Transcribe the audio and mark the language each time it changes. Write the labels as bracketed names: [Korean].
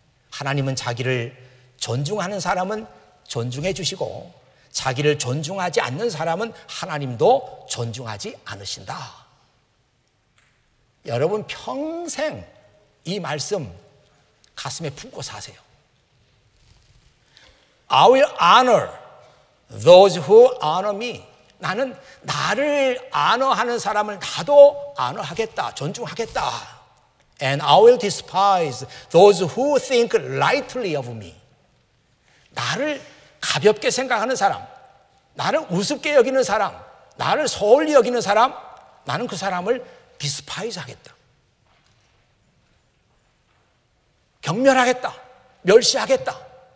[Korean] 하나님은 자기를 존중하는 사람은 존중해 주시고 자기를 존중하지 않는 사람은 하나님도 존중하지 않으신다. 여러분 평생 이 말씀 가슴에 품고 사세요. [English] I will honor those who honor me. [Korean] 나는 나를 honor하는 사람을 나도 honor하겠다, 존중하겠다. [English] And I will despise those who think lightly of me. [Korean] 나를 가볍게 생각하는 사람, 나를 우습게 여기는 사람, 나를 소홀히 여기는 사람, 나는 그 사람을 디스파이즈 하겠다. 경멸하겠다. 멸시하겠다.